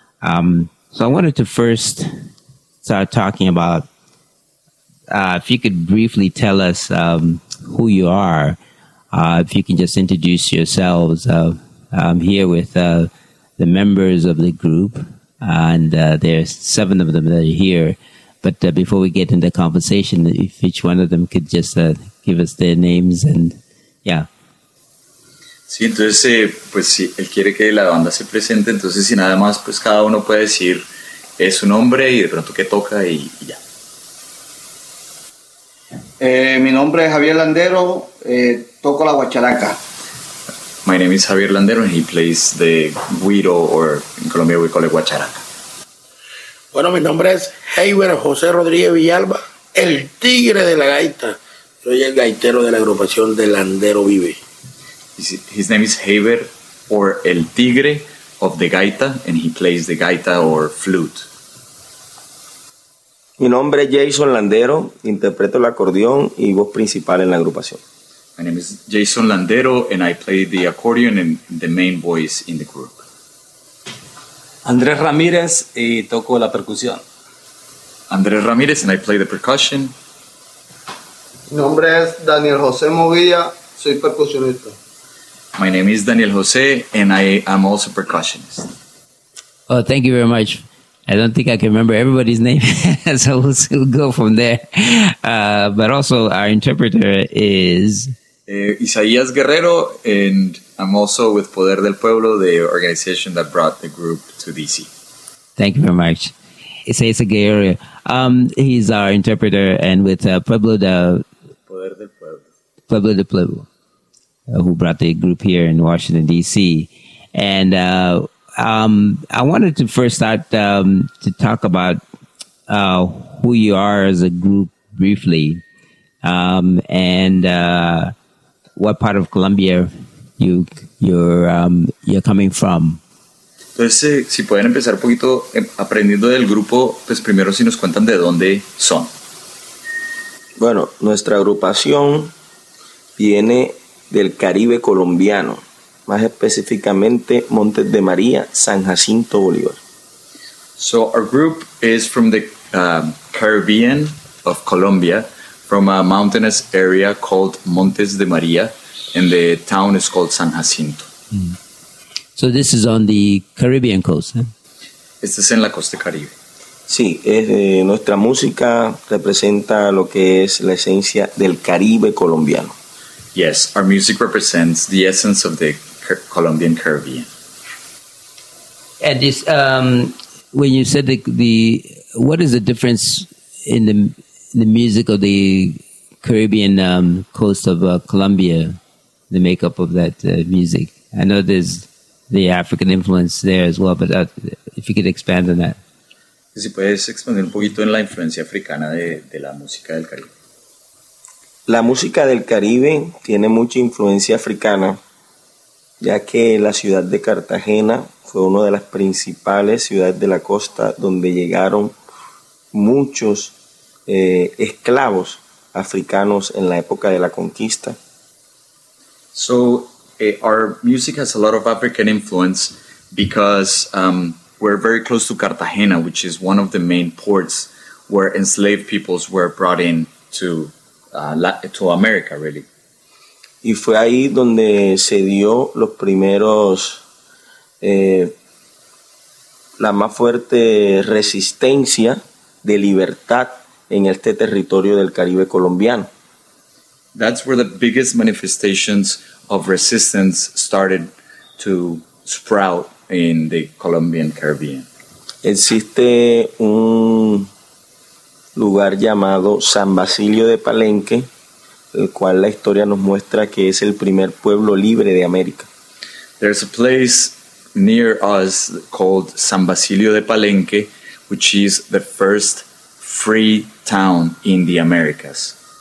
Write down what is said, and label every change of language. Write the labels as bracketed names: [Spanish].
[English] So I wanted to first start talking about if you could briefly tell us who you are, if you can just introduce yourselves. I'm here with the members of the group, and there's seven of them that are here. But before we get into the conversation, if each one of them could just give us their names and, yeah. [Spanish] Sí, entonces, pues si él quiere que la banda se presente, entonces si nada más, pues cada uno puede decir su nombre y de pronto qué toca y ya. Mi nombre es Javier Landero, toco la guacharaca. [English] My name is Javier Landero and he plays the güiro, or in Colombia we call it guacharaca. [Spanish] Bueno, mi nombre es Heiber José Rodríguez Villalba, el tigre de la gaita. Soy el gaitero de la agrupación de Landero Vive. [English] His name is Heiber, or el tigre of the gaita, and he plays the gaita or flute. [Spanish] Mi nombre es Jason Landero, interpreto el acordeón y voz principal en la agrupación. [English] My name is Jason Landero and I play the accordion and the main voice in the group. [Spanish] Andrés Ramírez y toco la percusión. [English] Andrés Ramírez and I play the percussion. [Spanish] Mi nombre es Daniel José Movilla, soy percusionista. [English] My name is Daniel José and I am also percussionist. Oh, thank you very much I don't think I can remember everybody's name, so we'll go from there. But also, our interpreter is... Isaías Guerrero, and I'm also with Poder del Pueblo, the organization that brought the group to D.C. Thank you very much. Isaías Guerrero, he's our interpreter, and with Poder del Pueblo, who brought the group here in Washington, D.C., and... I wanted to first start to talk about who you are as a group briefly, and what part of Colombia you're coming from. [Spanish] Entonces, si pueden empezar un poquito aprendiendo del grupo, pues primero si nos cuentan de dónde son. Bueno, nuestra agrupación viene del Caribe colombiano. Más específicamente, Montes de María, San Jacinto, Bolívar. [English] So, our group is from the Caribbean of Colombia, from a mountainous area called Montes de María, and the town is called San Jacinto. Mm. So, this is on the Caribbean coast, eh? [Spanish] Este es en la costa Caribe. Sí, es, nuestra música representa lo que es la esencia del Caribe colombiano. [English] Yes, our music represents the essence of the Colombian Caribbean. And this, when you said the, what is the difference in the music of the Caribbean coast of Colombia, the makeup of that music? I know there's the African influence there as well, but if you could expand on that. [Spanish] Si puedes expandir un poquito en la influencia africana de la música del Caribe. La música del Caribe tiene mucha influencia africana, ya que la ciudad de Cartagena fue una de las principales ciudades de la costa donde llegaron muchos esclavos africanos en la época de la conquista. [English] So, our music has a lot of African influence because we're very close to Cartagena, which is one of the main ports where enslaved peoples were brought in to America, really. [Spanish] Y fue ahí donde se dio los primeros, la más fuerte resistencia de libertad en este territorio del Caribe colombiano. [English] That's where the biggest manifestations of resistance started to sprout in the Colombian Caribbean. [Spanish] Existe un lugar llamado San Basilio de Palenque, el cual la historia nos muestra que es el primer pueblo libre de América. [English] There's a place near us called San Basilio de Palenque, which is the first free town in the Americas.